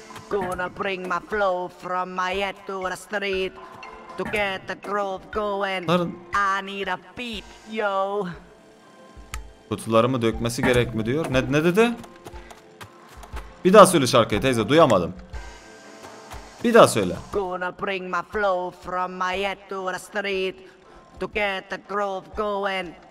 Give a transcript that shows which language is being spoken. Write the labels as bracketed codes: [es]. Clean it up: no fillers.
[en] Gonna bring my flow from my head to the street to get the groove going. [tr] Pardon. [en] I need a beat, yo. [tr] Kutularımı dökmesi gerek mi diyor? Ne dedi? Bir daha söyle şarkıyı teyze, duyamadım. Bir daha söyle. [en] Gonna bring my flow from my head to the street to get the groove going.